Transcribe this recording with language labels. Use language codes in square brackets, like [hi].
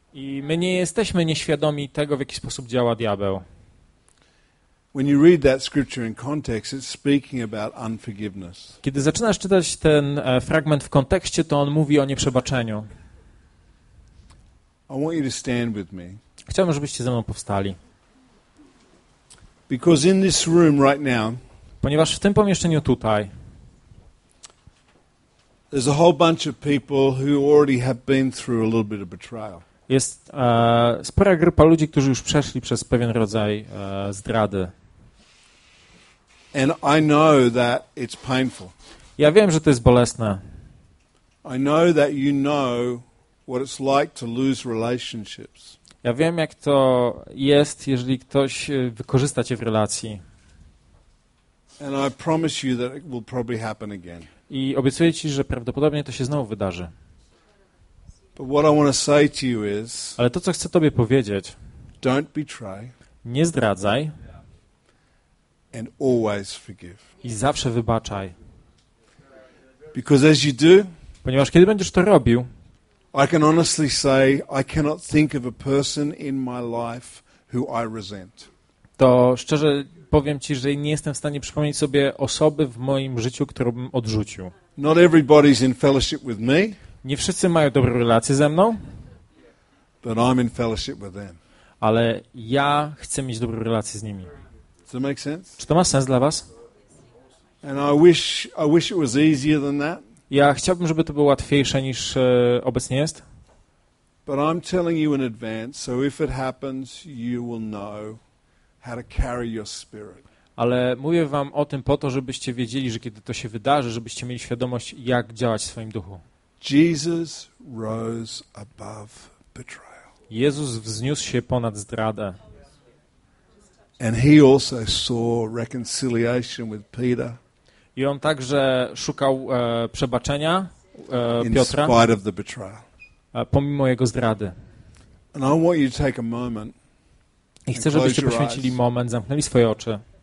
[pl] I my nie jesteśmy nieświadomi tego, w jaki sposób działa diabeł. [en] When you read that scripture in context, it's speaking about unforgiveness. [pl] Kiedy zaczynasz czytać ten fragment w kontekście, to on mówi o nieprzebaczeniu. [en] I want you to stand with me. [pl] Chciałbym, żebyście ze mną powstali. [en] Because in this room right now, [pl] ponieważ w tym pomieszczeniu tutaj, [en] there's a whole bunch of people who already have been through a little bit of betrayal. [pl] Jest spora grupa ludzi, którzy już przeszli przez pewien rodzaj zdrady. [en] And I know that it's painful. [pl] Ja wiem, że to jest bolesne. [en] I know that you know what it's like to lose relationships. [pl] Ja wiem, jak to jest, jeżeli ktoś wykorzysta cię w relacji. [en] And I promise you that it will probably happen again. [pl] I obiecuję ci, że prawdopodobnie to się znowu wydarzy. [en] What I want to say to you is, [pl] ale to, co chcę tobie powiedzieć, [en] don't betray, [pl] nie zdradzaj, [en] and always forgive. [pl] I zawsze wybaczaj. [en] Because as you do, [pl] ponieważ kiedy będziesz to robił, [en] I can honestly say I cannot think of a person in my life who I resent. [pl] To szczerze powiem ci, że nie jestem w stanie przypomnieć sobie osoby w moim życiu, którą bym odrzucił. [en] Not everybody's in fellowship with me. [pl] Nie wszyscy mają dobre relacje ze mną. [en] But I'm in fellowship with them. [pl] Ale ja chcę mieć dobre relacje z nimi. [en] Does that make sense? [pl] Czy to ma sens dla was? [en] And I wish it was easier than that. [pl] Ja chciałbym, żeby to było łatwiejsze niż obecnie jest. [en] But I'm telling you in advance, so if it happens, you will know how to carry your spirit. [pl] Ale mówię wam o tym po to, żebyście wiedzieli, że kiedy to się wydarzy, żebyście mieli świadomość, jak działać w swoim duchu. [en] Jesus rose above betrayal. [pl] Jezus wzniósł się ponad zdradę. [en] And he also saw reconciliation with Peter. [pl] I on także szukał przebaczenia Piotra. [en] In spite of the betrayal. [pl] Pomimo jego zdrady. [en] And I want you to take a moment. [pl] I chcę, żebyście poświęcili moment, zamknęli swoje oczy.